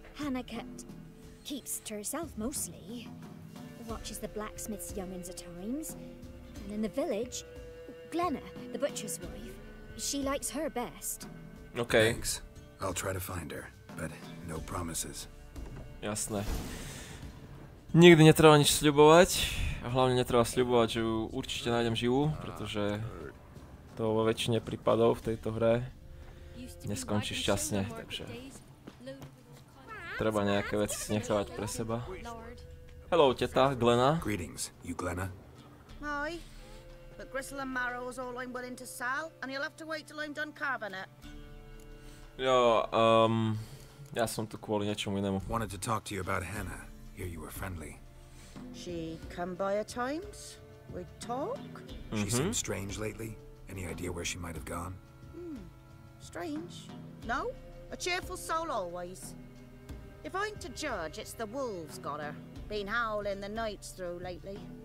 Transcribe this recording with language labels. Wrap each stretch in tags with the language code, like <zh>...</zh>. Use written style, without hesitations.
<en>Hannah keeps to herself mostly. Watches the blacksmith's youngins at times. And in the village, Glenna, the butcher's wife, she likes her best. Okay. Thanks. I'll try to find her, but no promises.</en> <sk>Jasné. Nikdy netreba nič sľubovať. A hlavne netreba sľubovať, že ju určite nájdem živú, pretože to vo väčšine prípadov v tejto hre neskončí šťastne, takže treba nejaké veci si nechávať pre seba.</sk> <en>Hello, teta, Glenna. Greetings, you Glenna? Aye, but gristle and marrow is all I'm willing to sell, and you'll have to wait till I'm done carving it.</en> <sk>Jo, ja som tu kvôli niečomu inému.</sk> <en>Wanted to talk to you about Hannah. Hear you were friendly. She come by at times. We talk. She seems strange lately. Any idea where she might have gone? Strange? No. A cheerful soul always. If I'm to judge, it's the wolves got her. Been howling the nights through lately.</en>